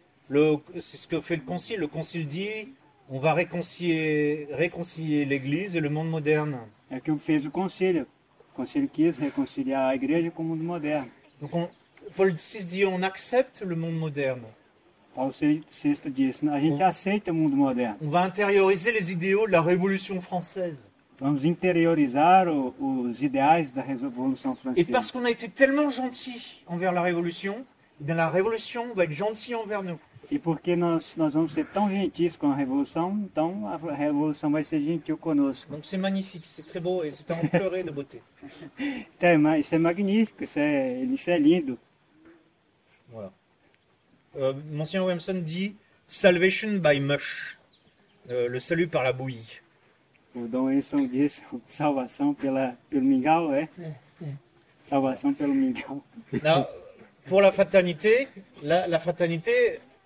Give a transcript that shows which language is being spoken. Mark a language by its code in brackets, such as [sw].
[fr] Donc, c'est ce que fait le concile. Le concile dit, on va réconcilier l'Église et le monde moderne. [pt] É que fez o concile. O concile quis reconciliar a Igreja com o mundo moderno. [fr] Donc, Paul VI dit on accepte le monde moderne. [pt] Paul VI [fr] dit [pt] a gente aceita o mundo moderno. [fr] On va intérioriser les idéaux de la Révolution française. [pt] Vamos interiorizar os ideais da Revolução Francesa. [fr] Et parce qu'on a été tellement gentil envers la Révolution, bien la Révolution va être gentille envers nous. [pt] Et porque nós vamos ser tão gentis com a Revolução, então a Revolução vai ser gentil conosco. [fr] Donc c'est magnifique, c'est très beau et c'est à en pleurer de beauté. C'est magnifique, c'est lindo. Voilà. Monsieur Williamson dit [en] salvation by mush. [fr] Le salut par la bouillie. [pt] O Dom Wilson diz salvação pelo mingau, é? Salvação pelo mingau. [fr] Non, pour la fraternité, la fraternité.